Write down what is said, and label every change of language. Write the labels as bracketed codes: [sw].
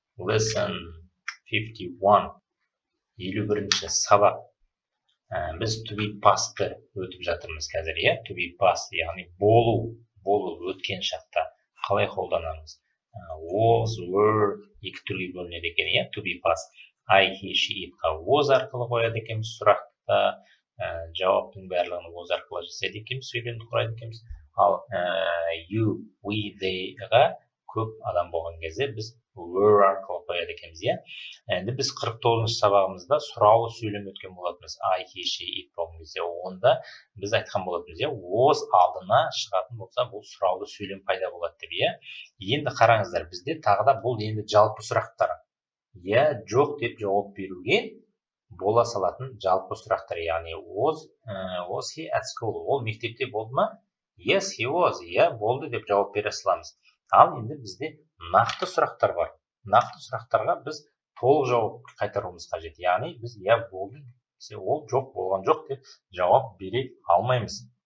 [en] Lesson 51. [kk] 51-ші сабақ. Біз to be past-ты өтіп жатырмыз қазір, иә? To be past, яғни болу, болу өткен шақта қалай қолданамыз? Was, were екі түрге бөлінеді екен, иә? [en] To be past. I, he, she, it was [kk] арқылы қояды екенбіз сұрақта. Жауаптың барлығын was арқылы жасайды екенбіз, сөйлемді құрайды екенбіз. Ал you, we, they-ға көп адам болған кезде біз were арқылы қояды екенбіз, иә? Енді біз 49-шы сабағымызда сұраулы сөйлем өткен болатынбыз. I, he, she, it болған кезде. Онда біз айтқан болатынбыз, иә? Was алдына шығатын болса, бұл сұраулы сөйлем пайда болады деп, иә? Енді қараңыздар, бізде тағы да бұл енді жалпы сұрақтар. Иә, жоқ деп жауап беруге бола салатын жалпы сұрақтар. [en] Яғни was he at school? [kk] Ол мектепте болды ма? [en] Yes, he was. [kk] Иә, болды деп жауап бере саламыз. Ал енді бізде нақты сұрақтар бар. Нақты сұрақтарға біз толық жауап қайтаруымыз қажет. Яғни біз иә болды, ол жоқ, болған жоқ деп жауап бере алмаймыз.